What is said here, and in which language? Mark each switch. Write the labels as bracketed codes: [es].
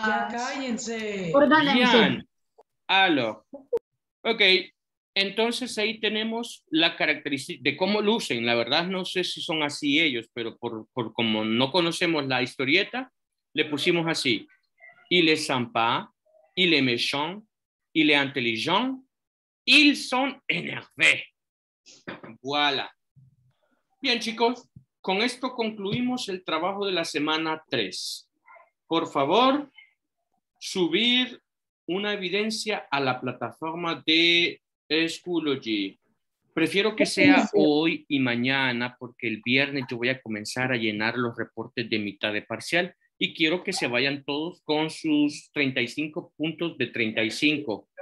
[es] ¡Cállense! ¡Bien! ¡Aló! Ok, entonces ahí tenemos la característica de cómo lucen. La verdad no sé si son así ellos, pero por como no conocemos la historieta, le pusimos así. [fr] Il est sympa, il est méchant, il est intelligent, ils sont énervés. Voilà. [es] Bien, chicos, con esto concluimos el trabajo de la semana 3. Por favor, subir una evidencia a la plataforma de Schoology. Prefiero que sea hoy y mañana porque el viernes yo voy a comenzar a llenar los reportes de mitad de parcial y quiero que se vayan todos con sus 35 puntos de 35.